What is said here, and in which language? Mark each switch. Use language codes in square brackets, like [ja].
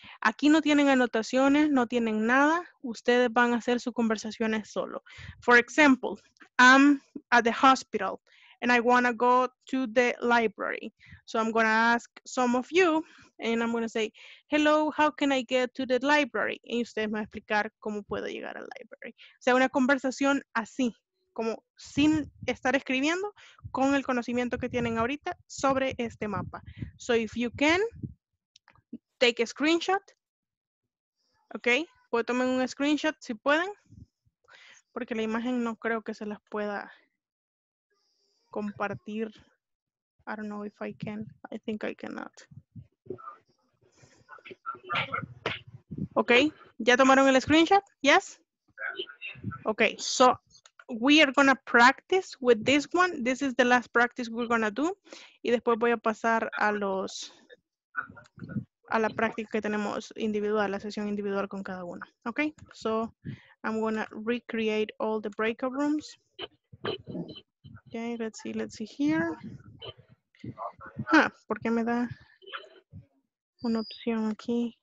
[es] Aquí no tienen anotaciones, no tienen nada. Ustedes van a hacer sus conversaciones solo. [en] For example, I'm at the hospital and I want to go to the library. So I'm going to ask some of you and I'm going to say, hello, how can I get to the library? [es] Y ustedes me van a explicar cómo puedo llegar al library. O sea, una conversación así, como sin estar escribiendo, con el conocimiento que tienen ahorita sobre este mapa. [en] So if you can, take a screenshot, ok, [es] puedo tomar un screenshot si pueden, porque la imagen no creo que se las pueda compartir, [en] I don't know if I can, I think I cannot. Ok, [es] ¿ya tomaron el screenshot? [en] Yes? Ok, so we are going to practice with this one, this is the last practice we're going to do, [es] y después voy a pasar a los... a la práctica que tenemos individual, la sesión individual con cada uno. [en] Ok, so I'm gonna recreate all the breakout rooms. Ok, let's see here. [es] Ah, ¿por qué me da una opción aquí?